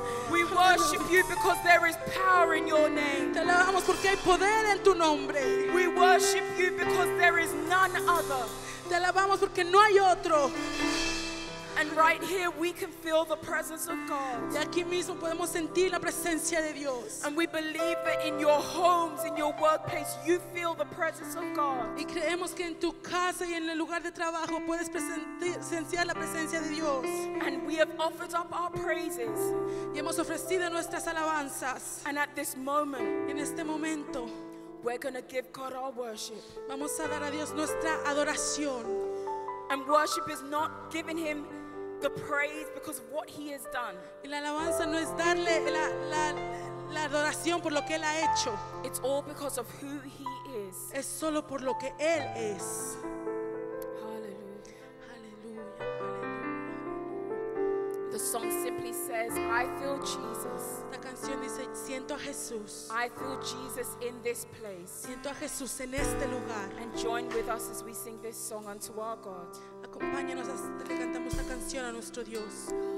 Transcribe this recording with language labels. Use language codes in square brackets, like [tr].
[en] We worship you because there is power in your name. [es] Te alabamos porque hay poder en tu nombre. [en] We worship you because there is none other. [es] Te alabamos porque no hay otro. [en] And right here we can feel the presence of God. [es] Y aquí mismo podemos sentir la presencia de Dios. [en] And we believe that in your homes, in your workplace, you feel the presence of God. [es] Y creemos que en tu casa y en el lugar de trabajo puedes sentir la presencia de Dios. [en] And we have offered up our praises. [es] Y hemos ofrecido nuestras alabanzas. [en] And at this moment, [es] en este momento, [en] we're going to give God our worship. [es] Vamos a dar a Dios nuestra adoración. [en] And worship is not giving him the praise because of what he has done. [es] Y la alabanza no es darle la adoración por lo que él ha hecho. [en] It's all because of who he is. [es] Es solo por lo que él es. [en] Hallelujah. Hallelujah. Hallelujah. The song simply says, I feel Jesus. [es] La canción dice, siento a Jesús. [en] I feel Jesus in this place. [es] Siento a Jesús en este lugar. [en] And join with us as we sing this song unto our God. [es] Acompáñanos a que cantemos esta canción a nuestro Dios.